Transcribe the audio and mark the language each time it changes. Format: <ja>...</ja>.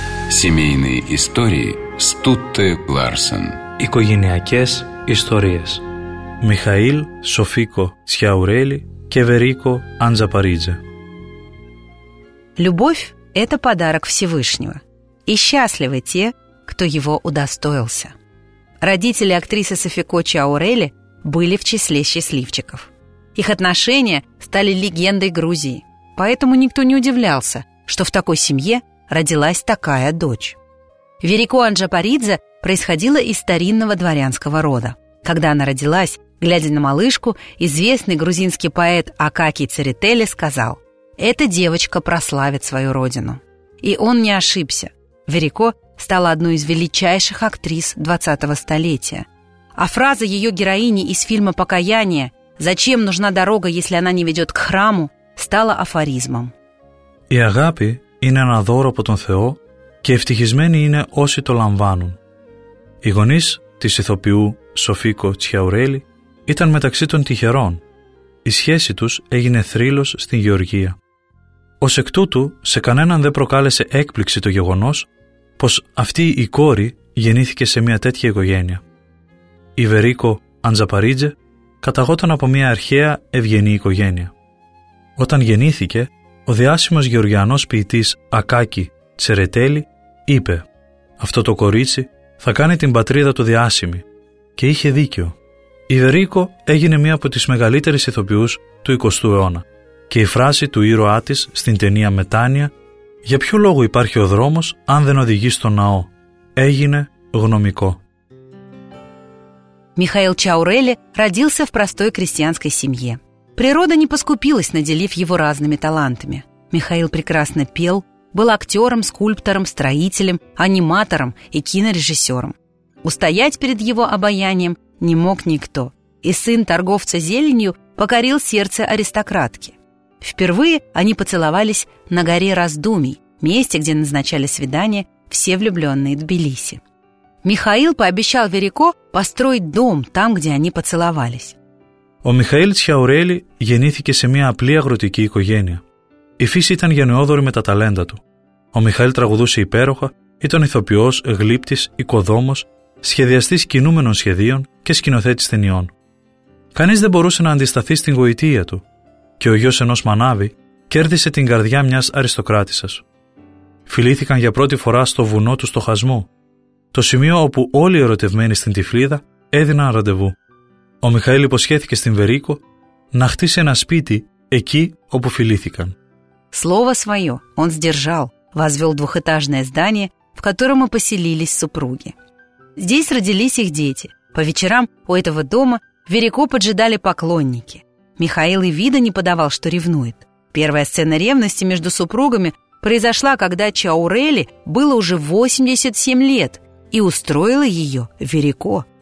<ru>Семейные истории Стутте Ларсен.</ru> <el>Οικογενειακές ιστορίες. Михаήλ Σοφίκο Σιαουρέλη και Βερίκο Αντζαπαρίτζε.</el> <ru>Любовь – это подарок Всевышнего. И счастливы те, кто его удостоился. Родители актрисы Софико Чаурели были в числе счастливчиков. Их отношения стали легендой Грузии. Поэтому никто не удивлялся, что в такой семье родилась такая дочь. Верико Анджапаридзе происходила из старинного дворянского рода. Когда она родилась, глядя на малышку, известный грузинский поэт Акакий Церетели сказал: «Эта девочка прославит свою родину». И он не ошибся. Верико стала одной из величайших актрис 20-го столетия. А фраза ее героини из фильма «Покаяние» «Зачем нужна дорога, если она не ведет к храму?» стала афоризмом.</ru> <el>«Η αγάπη είναι ένα δώρο από τον Θεό και ευτυχισμένοι είναι όσοι το λαμβάνουν». Οι γονείς της ηθοποιού Σοφίκο Τσιαουρέλη ήταν μεταξύ των τυχερών. Η σχέση τους έγινε θρύλος στην Γεωργία. Ως εκ τούτου, σε κανέναν δεν προκάλεσε έκπληξη το γεγονός πως αυτή η κόρη γεννήθηκε σε μια τέτοια οικογένεια. Η Βερίκο Αντζαπαρίτζε καταγόταν από μια αρχαία ευγενή οικογένεια. Όταν γεννήθηκε, ο διάσημος γεωργιανός ποιητής Ακάκη Τσερετέλη είπε «Αυτό το κορίτσι θα κάνει την πατρίδα του διάσημη» και είχε δίκιο. Η Βερίκο έγινε μία από τις μεγαλύτερες ηθοποιούς του 20ου αιώνα και η φράση του ήρωά της στην ταινία «Μετάνοια» «Για ποιο λόγο υπάρχει ο δρόμος αν δεν οδηγεί στον ναό» έγινε γνωμικό.</el> <ru>Михаил Чаурели родился в простой крестьянской семье. Природа не поскупилась, наделив его разными талантами. Михаил прекрасно пел, был актером, скульптором, строителем, аниматором и кинорежиссером. Устоять перед его обаянием не мог никто, и сын торговца зеленью покорил сердце аристократки. Впервые они поцеловались на горе Раздумий, месте, где назначали свидания все влюбленные Тбилиси. Михаил пообещал Верико построить дом там, где они поцеловались.</ru> <el>Ο Михαήλ Τσιαουρέλη γεννήθηκε σε μια απλή αγροτική οικογένεια. Η φύση ήταν γενναιόδορη με τα ταλέντα του. Ο Μιχαήλ τραγουδούσε υπέροχα, ήταν ηθοποιός, γλύπτης, οικοδόμος, σχεδιαστής κινούμενων σχεδίων και σκηνοθέτης ταινιών. Κανείς δεν μπορούσε να αντισταθεί στην γοητεία του και ο γιος ενός μανάβη κέρδισε την καρδιά μιας αριστοκράτησας. Φιλήθηκαν για πρώτη φορά στο βουνό του Στοχασμού, το σημείο όπου όλοι οι ερωτευμένοι στην Τυφλίδα έδιναν ραντεβού. Ο Μιχαήλ υποσχέθηκε στην Βερίκο να χτίσει ένα σπίτι εκεί όπου φιλήθηκαν.</el> <ru>Слово свое он сдержал, возвел двухэтажное здание, в котором и поселились супруги. Здесь родились их дети. По вечерам у этого дома Верико поджидали поклонники. Михаил и вида не подавал, что ревнует. Первая сцена ревности между супругами произошла, когда Чаурели было уже 87 лет, и устроила ее Верико.</ru>